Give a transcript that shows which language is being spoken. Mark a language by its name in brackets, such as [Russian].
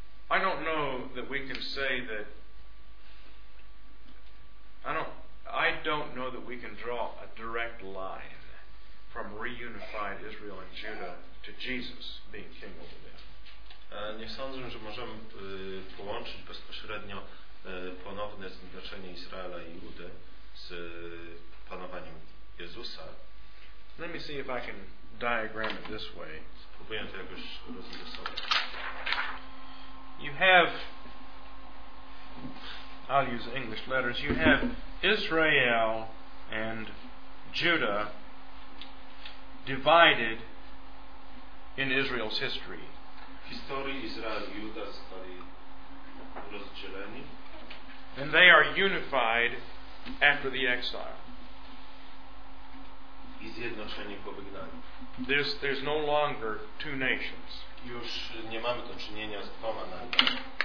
[English] I don't know that we can say that. I don't know that we can draw a direct line from reunified Israel and Judah to Jesus being king over them. [Polish] Nie sądzę, że możemy połączyć bezpośrednio ponowne zjednoczenie Izraela i Judy z panowaniem Jezusa. [English] Let me see if I can diagram it this way. [Polish] Spróbuję to jakoś rozrysować. [English] I'll use English letters. You have Israel and Judah divided in Israel's history. [Polish] W historii Izrael i Juda zostali rozdzieleni. [English] And they are unified after the exile. [Polish] I zjednoczeni po wygnaniu. [English] There's no longer two nations. [Polish] Już nie mamy do czynienia z dwoma narodami.